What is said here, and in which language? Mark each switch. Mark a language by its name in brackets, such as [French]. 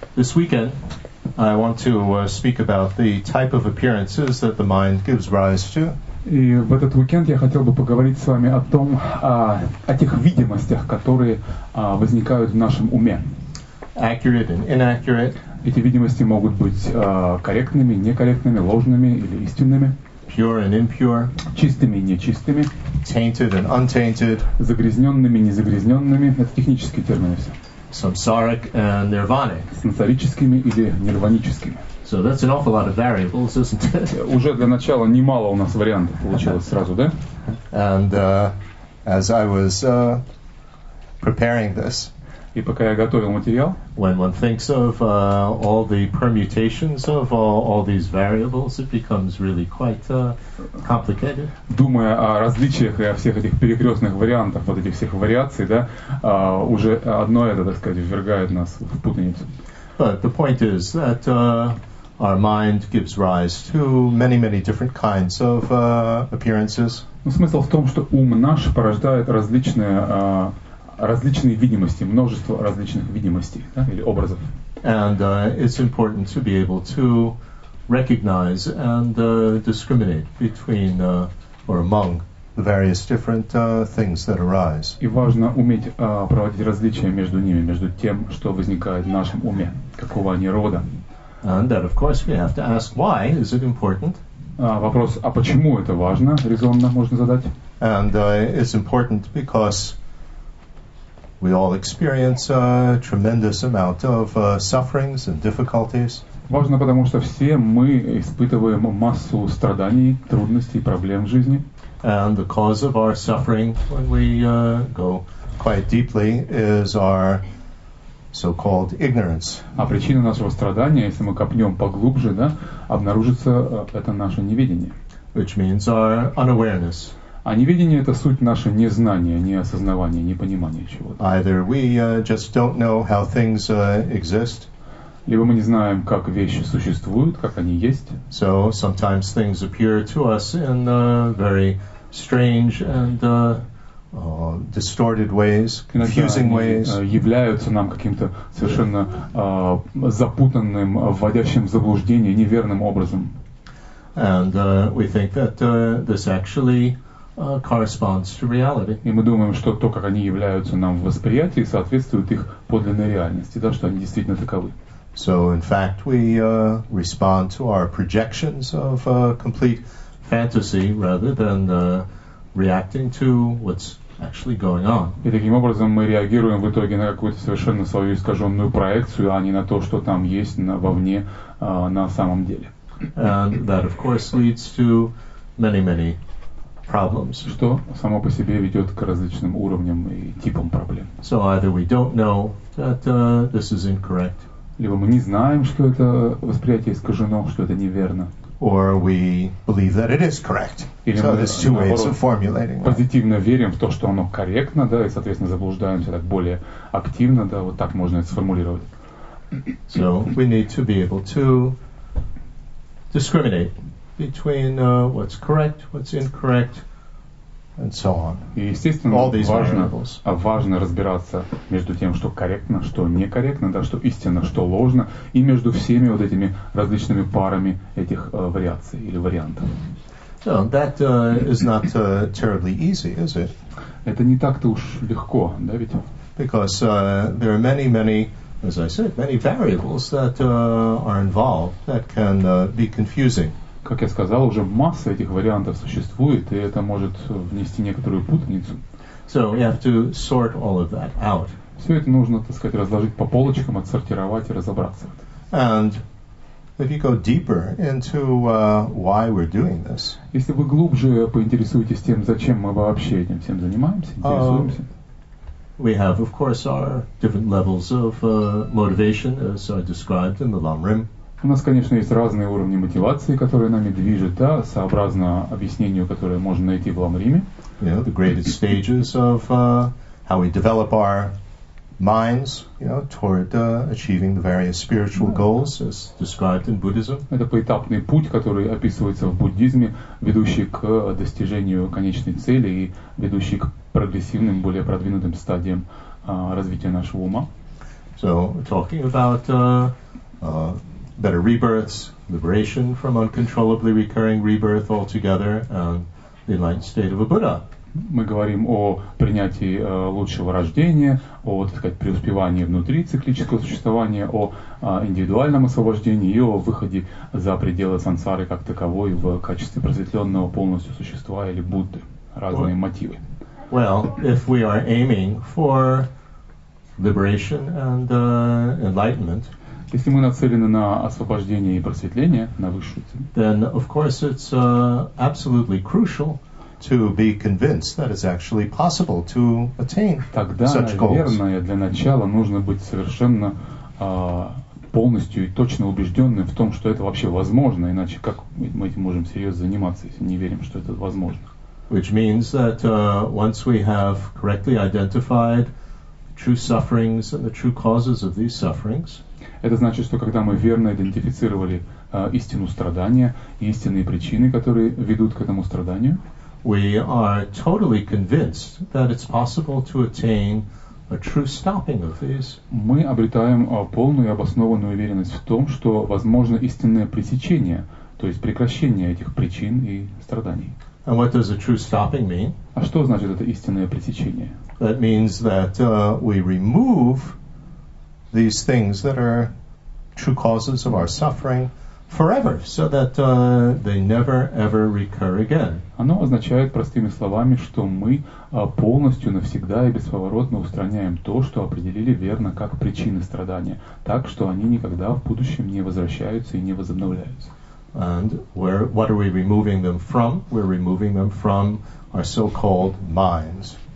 [English] This weekend, I want to speak about the type of appearances that the mind gives rise to. [Russian] И в этот уикенд я хотел бы поговорить с вами о том, о тех видимостях, которые возникают в нашем уме. [English] Accurate and inaccurate. [Russian] Эти видимости могут быть корректными, некорректными, ложными или истинными. [English] Pure and impure. [Russian] Чистыми и нечистыми. [English] Tainted and untainted. [Russian] Загрязненными и незагрязненными. Это технические термины все. [English] Samsaric and nirvanic. [Russian] Сансарическими или нирваническими. [English] So that's an awful lot of variables, isn't it? [Russian] Уже для начала немало у нас вариантов получилось сразу, да? [English] And as I was preparing this, [Russian] и пока я готовил материал, [English] when one thinks of all the permutations of all these variables, it becomes really quite complicated. [Russian] Думая о различиях и о всех этих перекрестных вариантах, вот этих всех вариаций, да, уже одно это, так сказать, ввергает нас в путаницу. [English] But the point is that our mind gives rise to many, many different kinds of appearances. [Russian] Ну, смысл в том, что ум наш порождает различные видимости, множество различных видимостей, да, или образов. [English] And it's important to be able to recognize and discriminate between or among the various different things that arise. [Russian] И важно уметь проводить различия между ними, между тем, что возникает в нашем уме, какого они рода. [English] And that, of course, we have to ask why is it important? [Russian] Вопрос, а почему это важно, резонно можно задать? [English] And it's important because we all experience a tremendous amount of sufferings and difficulties. [Russian] Важно, потому что все мы испытываем массу страданий, трудностей, проблем в жизни. [English] And the cause of our suffering, when we go quite deeply, is our so-called ignorance. [Russian] А причина нашего страдания, если мы копнем поглубже, да, обнаружится это наше неведение. [English] Which means our unawareness. [Russian] А неведение — это суть наше незнание, неосознавание, непонимание чего-то. [English] Either we just don't know how things exist. [Russian] Либо мы не знаем, как вещи существуют, как они есть. [English] So sometimes things appear to us in very strange and distorted ways, confusing ways. [Russian] Являются нам каким-то совершенно запутанным, вводящим в заблуждение, неверным образом. [English] And we think that this actually corresponds to reality. [Russian] И мы думаем, что то, как они являются нам в восприятии, соответствует их подлинной реальности, да, что они действительно таковы. [English] So, in fact, we respond to our projections of complete fantasy rather than reacting to what's actually going on. [Russian] И таким образом мы реагируем в итоге на какую-то совершенно свою искаженную проекцию, а не на то, что там есть вовне на самом деле. [English] And that, of course, leads to many, many problems. [Russian] Что само по себе ведет к различным уровням и типам проблем. [English] So either we don't know that this is incorrect. [Russian] Либо мы не знаем, что это восприятие искажено, что это неверно. [English] Or we believe that it is correct. [Russian] Или [English] so [Russian] мы, [English] there's two ways of formulating it. [Russian] Позитивно верим в то, что оно корректно, да, и, соответственно, заблуждаемся так более активно, да, вот так можно это сформулировать. [English] So we need to be able to discriminate between what's correct, what's incorrect, and so on. [Russian] И, естественно, [English] all these [Russian] важно разбираться между тем, что корректно, что некорректно, да, что истинно, что ложно, и между всеми вот этими различными парами этих вариаций или вариантов. [English] So that is not terribly easy, is it? [Russian] Это не так-то уж легко, да, ведь? [English] Because there are many, many, as I said, many variables that are involved that can be confusing. [Russian] Как я сказал, уже масса этих вариантов существует, и это может внести некоторую путаницу. [English] So we have to sort all of that out. [Russian] Все это нужно, так сказать, разложить по полочкам, отсортировать и разобраться. [English] And if you go deeper into why we're doing this. [Russian] Если вы глубже поинтересуетесь тем, зачем мы вообще этим всем занимаемся, интересуемся. [English] We have, of course, our different levels of motivation, as I described in the Lamrim. [Russian] У нас, конечно, есть разные уровни мотивации, которые нами движут, да, сообразно объяснению, которое можно найти в Ламриме. [English] You know, the greatest stages of how we develop our minds, you know, toward achieving the various spiritual goals, as described in Buddhism. [Russian] Это поэтапный путь, который описывается в буддизме, ведущий к достижению конечной цели и ведущий к прогрессивным, более продвинутым стадиям развития нашего ума. [English] So talking about better rebirths, liberation from uncontrollably recurring rebirth altogether, and the enlightened state of a Buddha. [Russian] Мы говорим о принятии лучшего рождения, о, так сказать, преуспевании внутри циклического существования, о индивидуальном освобождении и о выходе за пределы сансары как таковой в качестве просветленного полностью существа или Будды. Разные мотивы. [English] Well, if we are aiming for liberation and enlightenment, [Russian] если мы нацелены на освобождение и просветление, на высшую цель, [English] then, of course, it's absolutely crucial to be convinced that it's actually possible to attain [Russian] тогда, [English] such goals. [Russian] Тогда, наверное, для начала нужно быть совершенно полностью и точно убежденным в том, что это вообще возможно, иначе как мы этим можем серьезно заниматься, если не верим, что это возможно. [English] Which means that once we have correctly identified true sufferings and the true causes of these sufferings, [Russian] это значит, что когда мы верно идентифицировали истину страдания, истинные причины, которые ведут к этому страданию, [English] we are totally convinced that it's possible to attain a true stopping of these. [Russian] Мы обретаем полную и обоснованную уверенность в том, что возможно истинное пресечение, то есть прекращение этих причин и страданий. [English] And what does a true stopping mean? [Russian] А что значит это истинное пресечение? [English] That means that we remove these things that are true causes of our suffering forever, so that they never ever recur again. [Russian] Оно означает простыми словами, что мы полностью навсегда и бесповоротно устраняем то, что определили верно как причины страдания, так что они никогда в будущем не возвращаются и не возобновляются. [English] And where, what are we removing them from? We're removing them from our so-called minds.